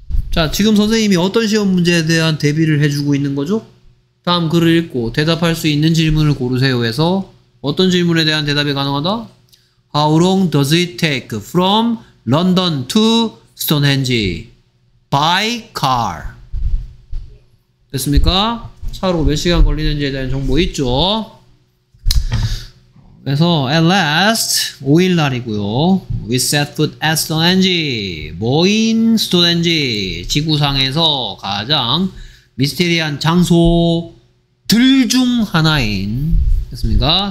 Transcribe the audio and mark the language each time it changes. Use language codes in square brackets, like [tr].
[ko] 자, 지금 선생님이 어떤 시험 문제에 대한 대비를 해주고 있는 거죠? 다음 글을 읽고 대답할 수 있는 질문을 고르세요 해서 어떤 질문에 대한 대답이 가능하다? [en] How long does it take from London to Stonehenge? By car. [ko] 됐습니까? 차로 몇 시간 걸리는지에 대한 정보 있죠? 그래서 [en] at last [ko] 5일날이고요. [en] We set foot at Stonehenge. [ko] 뭐인 [en] Stonehenge? [ko] 지구상에서 가장 미스테리한 장소들 중 하나인 됐습니까?